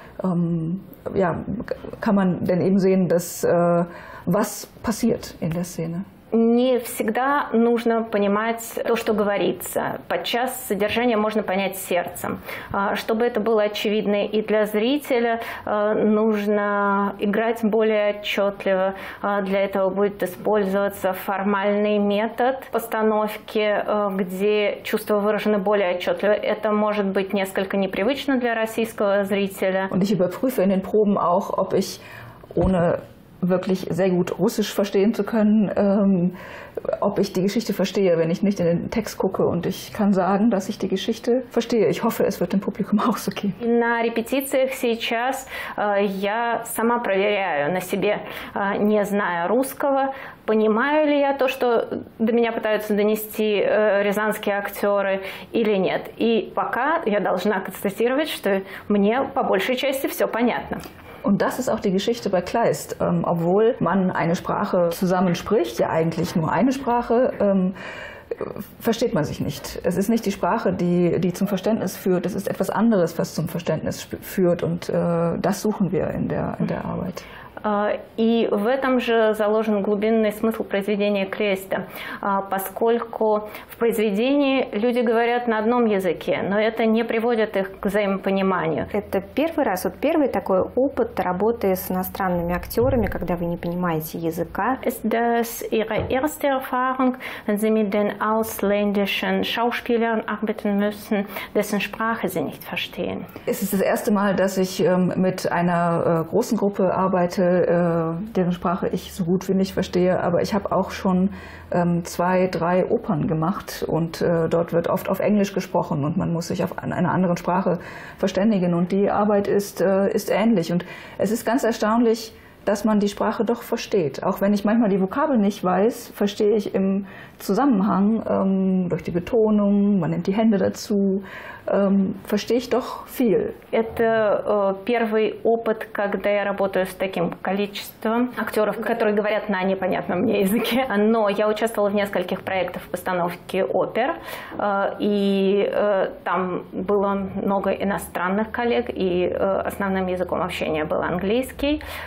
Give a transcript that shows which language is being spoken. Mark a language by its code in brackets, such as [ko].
[de] Kann man denn eben sehen, dass was passiert in der Szene? [ru] не всегда нужно понимать то, что говорится. Подчас содержание можно понять сердцем. Чтобы это было очевидно и для зрителя, нужно играть более отчетливо. Для этого будет использоваться формальный метод постановки, где чувства выражены более отчетливо. Это может быть несколько непривычно для российского зрителя. [de] Und ich überprüfe in den Proben auch, ob ich ohne wirklich sehr gut Russisch verstehen zu können, ob ich die Geschichte verstehe, wenn ich nicht in den Text gucke. Und ich kann sagen, dass ich die Geschichte verstehe. Ich hoffe, es wird dem Publikum auch so gehen. [ru] На репетициях сейчас я сама проверяю на себе, не зная русского, понимаю ли я то, что до меня пытаются донести рязанские актеры или нет. И пока я должна констатировать, что мне по большей части все понятно. [de] Und das ist auch die Geschichte bei Kleist. Obwohl man eine Sprache zusammenspricht, ja eigentlich nur eine Sprache, versteht man sich nicht. Es ist nicht die Sprache, die zum Verständnis führt. Es ist etwas anderes, was zum Verständnis führt. Und das suchen wir in der Arbeit. [ru] И в этом же заложен глубинный смысл произведения Клейста, поскольку в произведении люди говорят на одном языке, но это не приводит их к взаимопониманию. Это первый раз, вот первый такой опыт работы с иностранными актерами, когда вы не понимаете языка. Это [de] ihre erste Erfahrung, wenn sie mit den ausländischen Schauspielern arbeiten müssen, dessen Sprache sie nicht verstehen. Es ist das erste Mal, dass ich mit einer großen Gruppe arbeite, deren Sprache ich so gut wie nicht verstehe, aber ich habe auch schon zwei, drei Opern gemacht und dort wird oft auf Englisch gesprochen und man muss sich auf einer anderen Sprache verständigen und die Arbeit ist ähnlich und es ist ganz erstaunlich, dass man die Sprache doch versteht. Auch wenn ich manchmal die Vokabel nicht weiß, verstehe ich im Zusammenhang durch die Betonung, man nimmt die Hände dazu, verstehe ich doch viel. [ru] Это первый опыт, когда я работаю с таким количеством актеров, которые говорят на непонятном мне языке. Но я участвовала в нескольких проектах постановки опер, и там было много иностранных коллег, и основным языком общения был английский.